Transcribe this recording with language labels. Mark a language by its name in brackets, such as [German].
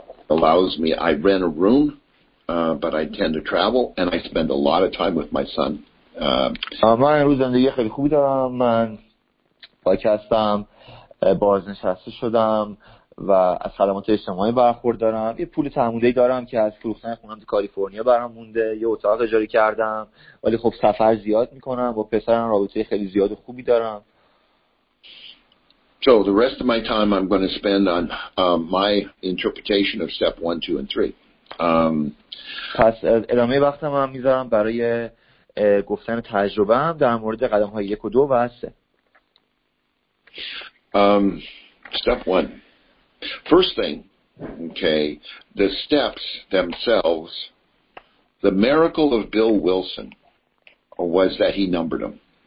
[English] Allows me, I rent a room, but I tend to travel, and I spend a lot of time with my son. [Persian] من امروز زندگی خیلی خوبی دارم. من پاک هستم، بازنشسته شدم و از خدمات اجتماعی برخوردارم. یه پول تعمودهی دارم که از فروختن خونم تو کالیفرنیا برام مونده. یه اتاق اجاره کردم، ولی خب سفر زیاد میکنم. با پسرم رابطه خیلی زیاد و خوبی دارم. [English] So the rest of my time I'm going to spend on my interpretation of step 1, 2, and 3. [Persian] پس ادامه وقتم هم میذارم برای گفتن تجربه هم در مورد قدم های 1 و 2 و 3. [English] Step 1. First thing, okay, the steps themselves, the miracle of Bill Wilson was that he numbered them.